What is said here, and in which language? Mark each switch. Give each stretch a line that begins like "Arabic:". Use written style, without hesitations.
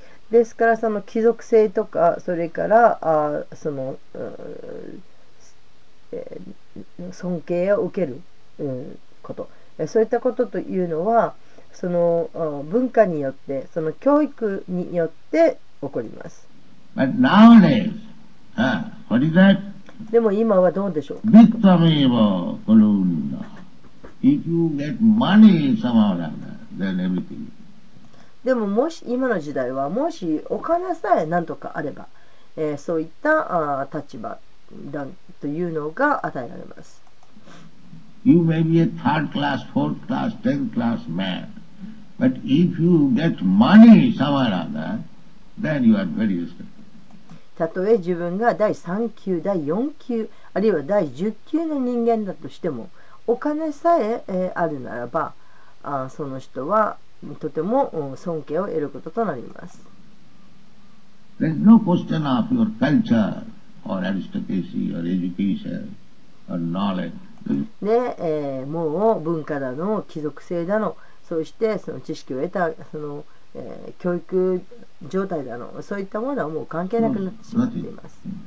Japanese: ですからその貴族性とか、それからその尊敬を受けること、そういったことというのはその文化によって、その教育によって起こります。
English: But nowadays, what is that?
Japanese: でも今はどうでしょう。 Victimable colonia.
English: If you get money somehow like that, then everything.
Japanese: でももし今の時代は、もしお金さえなんとかあれば、そういった立場だというのが与えられます。
English: You may be a third class, fourth class, tenth class man. But if you get money somewhere on that, then you are very respected.
Japanese: たとえ自分が第3級、第4級、あるいは第10級の人間だとしても、お金さえあるならば、その人はとても尊敬を得ることとなります。
English: There is no question of your culture or aristocracy or education or knowledge.
Japanese: で、もう文化だの、貴族性だの、そしてその知識を得たその、教育状態だの、そういったものはもう関係なくなってしまっています。